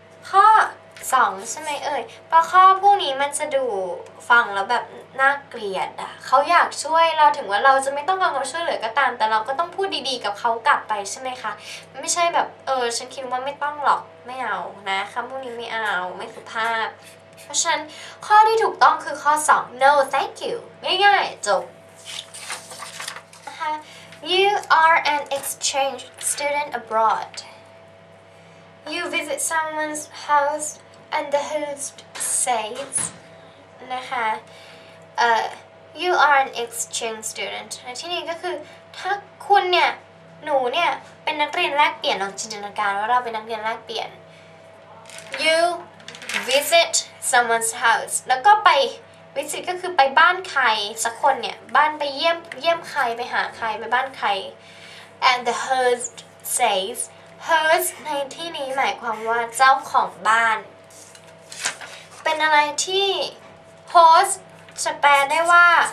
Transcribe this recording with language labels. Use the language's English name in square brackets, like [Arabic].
[Thai] ข้อ2ใช่ไหมเอ่ยเพราะข้อพวกนี้มันจะดูฟังแล้วแบบน่าเกลียดอ่ะเขาอยากช่วยเราถึงว่าเราจะไม่ต้องการความช่วยเหลือก็ตามแต่เราก็ต้องพูดดีๆกับเขากลับไปใช่ไหมคะไม่ใช่แบบฉันคิดว่าไม่ต้องหรอกไม่เอานะคำพวกนี้ไม่เอาไม่สุภาพเพราะฉันข้อที่ถูกต้องคือข้อ2 [English] No thank you [Thai] ง่ายๆจบ [English] You are an exchange student abroad. You visit someone's house and the host says, นะคะ you are an exchange student. [Thai] ในที่นี้ก็คือถ้าคุณเนี่ยหนูเนี่ยเป็นนักเรียนแลกเปลี่ยนลองจินตนาการว่าเราเป็นนักเรียนแลกเปลี่ยน [English] You visit someone's house. [Thai] แล้วก็ไปวิสิตก็คือไปบ้านใครสักคนเนี่ยบ้านไปเยี่ยมใครไปหาใครไปบ้านใคร [English] and the host says [Thai] host ในที่นี้หมายความว่าเจ้าของบ้านเป็นอะไรที่ host จะแปลได้ว่า